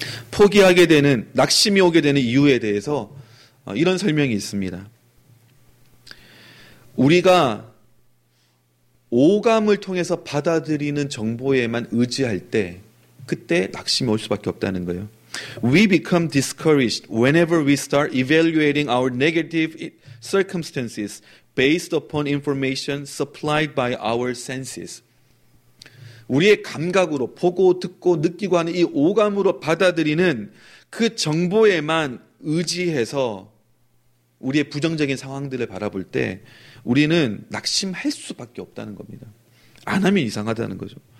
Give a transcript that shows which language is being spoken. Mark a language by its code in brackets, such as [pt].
[ko] 포기하게 되는, 낙심이 오게 되는 이유에 대해서 이런 설명이 있습니다. 우리가 오감을 통해서 받아들이는 정보에만 의지할 때, 그때 낙심이 올 수밖에 없다는 거예요. [en] We become discouraged whenever we start evaluating our negative circumstances based upon information supplied by our senses. [ko] 우리의 감각으로 보고 듣고 느끼고 하는 이 오감으로 받아들이는 그 정보에만 의지해서 우리의 부정적인 상황들을 바라볼 때 우리는 낙심할 수밖에 없다는 겁니다. 안 하면 이상하다는 거죠.